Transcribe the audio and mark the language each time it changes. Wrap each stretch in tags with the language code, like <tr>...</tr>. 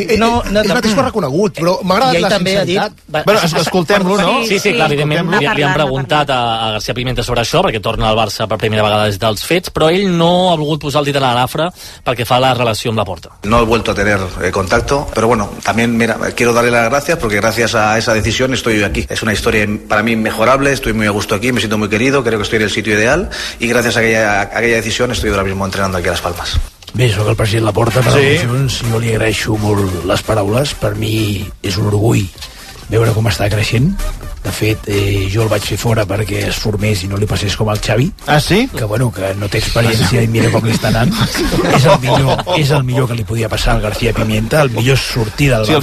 <ca>Sí, ell mateix ho ha reconegut, però m'ha agradat la sinceritat. Escoltem-lo, no? Sí, clar, evidentment li han preguntat a García Pimienta sobre això, perquè torna al Barça per primera vegada des dels fets, però ell no ha volgut posar el dit a l'anafra que fa la relación la porta.</ca> <es>No he vuelto a tener contacto, pero bueno, también mira, quiero darle las gracias porque gracias a esa decisión estoy aquí. Es una historia para mí inmejorable, estoy muy a gusto aquí, me siento muy querido, creo que estoy en el sitio ideal y gracias a aquella decisión estoy ahora mismo entrenando aquí a Las Palmas.</es> <ca>Bé, sóc el president la porta, per emocions, sí. Jo li agraeixo molt les paraules, per mi és un orgull veure com està creixent. De fet, jo el vaig fer fora perquè es formés i no li passés com al Xavi. Ah, sí? Que no té experiència i mira com li està anant. És el millor que li podia passar al García Pimienta, el millor sortir del Barça.</ca>